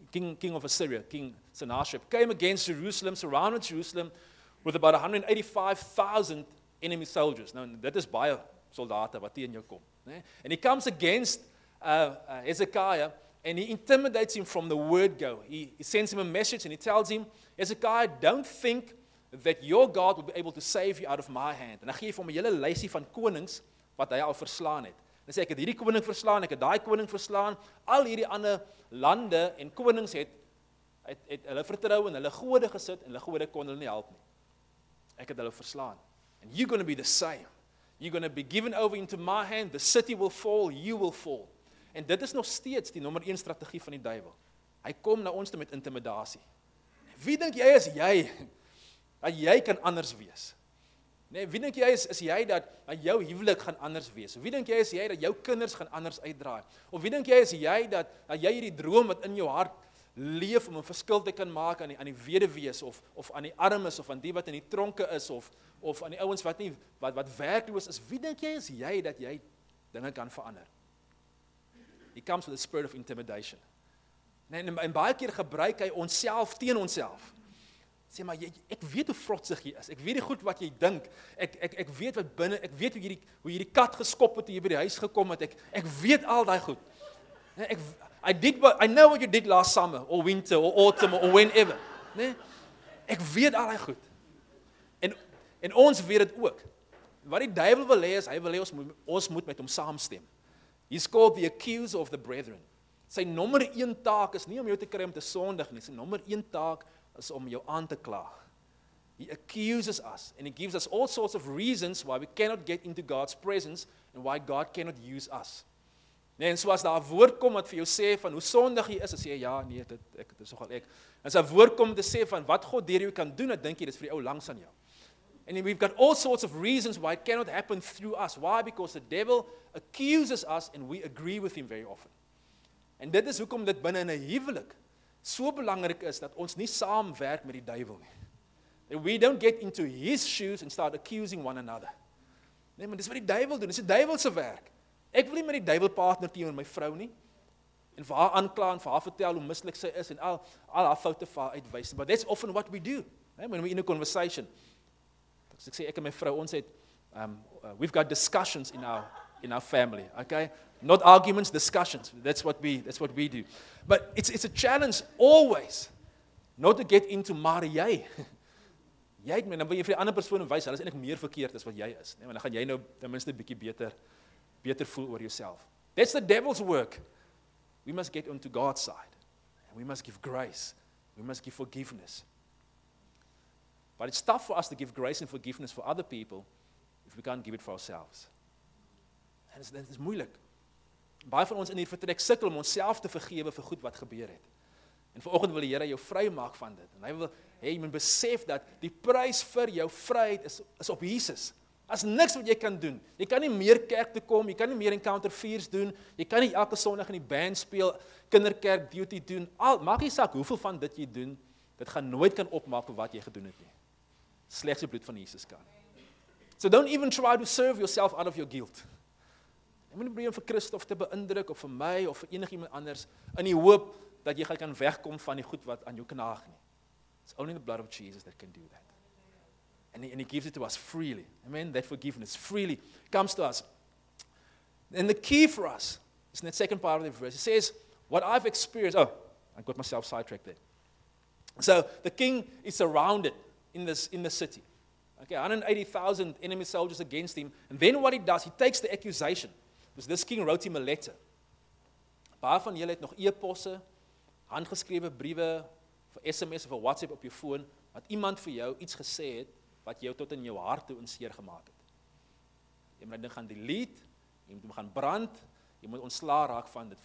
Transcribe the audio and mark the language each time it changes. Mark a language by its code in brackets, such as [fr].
[en] King of Assyria, King Sennacherib came against Jerusalem, surrounded Jerusalem with about 185,000 enemy soldiers. [af] Nou dit is baie soldate wat teen jou kom, né? [en] And he comes against Hezekiah and he intimidates him from the word go. He sends him a message and he tells him, "Hezekiah, don't think that your God will be able to save you out of my hand." [af] En hy gee vir hom 'n hele lysie van konings wat hy al verslaan het. Hy sê, ek het hierdie koning verslaan, ek het daai koning verslaan, al hierdie ander lande en konings het hulle vertrou in hulle gode gesit, en hulle gode kon hulle nie help nie. Ek het hulle verslaan. [en] And you're going to be the same. You're going to be given over into my hand, the city will fall, you will fall. [af] En dit is nog steeds die nommer 1 strategie van die duivel. Hy kom na ons toe met intimidasie. Wie dink jy is jy, dat jy kan anders wees? Nee, wie dink jy is jy dat jou huwelik gaan anders wees? Wie dink jy is jy dat jou kinders gaan anders uitdraai? Of wie dink jy is jy dat jy hierdie droom wat in jou hart leef om 'n verskil te kan maak aan die weduwees of aan die armes of aan die wat in die tronke is of aan die ouens wat nie wat werkloos is? Wie dink jy is jy dat jy dinge kan verander? [en] He comes with a spirit of intimidation. [af] Nee, en baie keer gebruik hy onsself teen onsself. Sê maar, ek weet hoe frotsig jy is. Ek weet die goed wat jy dink. Ek weet wat binne, ek weet hoe hierdie kat geskop het toe jy by die huis gekom het. Ek weet al daai goed. [en] I know what you did last summer or winter or autumn or whenever. [af] Nee? Ek weet al daai goed. En ons weet dit ook. Wat die duivel wil hê is hy wil hê ons moet met hom saamstem. [en] He's called the accuser of the brethren. [af] Sy nommer 1 taak is nie om jou te kry om te sondig nie. Sy nommer 1 taak is om jou aan te kla. [en] He accuses us and he gives us all sorts of reasons why we cannot get into God's presence and why God cannot use us. [af] Nee, en soos daar 'n woord kom wat vir jou sê van hoe sondig jy is, as jy ja, nee, dit is nogal ek. As 'n woord kom te sê van wat God deur jou kan doen, dan dink jy dis vir die ou langs aan jou. [en] And we've got all sorts of reasons why it cannot happen through us. Why? Because the devil accuses us and we agree with him very often. [af] En dit is hoekom dit binne in 'n huwelik so belangrik is dat ons nie saamwerk met die duivel nie. [en] That we don't get into his shoes and start accusing one another. [af] Nee, maar dis wat die duivel doen. Dis die duivel se werk. Ek wil nie met die duivel partner teenoor my vrou nie. En vir haar aankla en vir haar vertel hoe mislik sy is en al haar foute vir haar uitwys. [en] But that's often what we do. Nee, when we in a conversation. [af] Ek sê ek en my vrou, ons het [en] we've got discussions in our in our family, okay? Not arguments, discussions. That's what we do. But it's a challenge always not to get into [af] maar jy. Jy het my, dan wil jy vir die ander persoon wys, hulle is eintlik meer verkeerd as wat jy is. Nee, want dan gaan jy nou ten minste bietjie beter voel oor jouself. [en] That's the devil's work. We must get onto God's side. And we must give grace. We must give forgiveness. But it's tough for us to give grace and forgiveness for other people if we can't give it for ourselves. [af] En dit is moeilik. Baie van ons in hier vertrek sukkel om onsself te vergewe vir goed wat gebeur het. En vanoggend wil die Here jou vry maak van dit. En hy wil hê jy moet besef dat die prys vir jou vryheid is op Jesus. As niks wat jy kan doen. Jy kan nie meer kerk toe kom, jy kan nie meer encounter fears doen, jy kan nie elke Sondag in die band speel, kinderkerk duty doen, al, maak nie saak hoeveel van dit jy doen, dit gaan nooit kan opmaak vir wat jy gedoen het nie. Slegs die bloed van Jesus kan. [en] So don't even try to serve yourself out of your guilt. [af] Jy moet nie probeer om vir Christof te beïndruk, of vir my, of vir enig iemand anders, in die hoop dat jy gaan kan wegkom van die goed wat aan jou knaag nie. [en] It's only the blood of Jesus that can do that. And he gives it to us freely. Amen. That forgiveness freely comes to us. And the key for us is in that second part of the verse. It says, what I've experienced. Oh, I got myself sidetracked there. So the king is surrounded in the city. Okay, 180,000 enemy soldiers against him. And then what he does, he takes the accusation. Because this king wrote him a letter. [af] Baie van julle het nog e-posse, handgeskrewe briewe, vir SMS of WhatsApp op jou phone, wat iemand vir jou iets gesê het, wat jou tot in jou hart toe in seer gemaak het. Jy moet dit ding gaan delete, jy moet hom gaan brand, jy moet ontslaa raak van dit.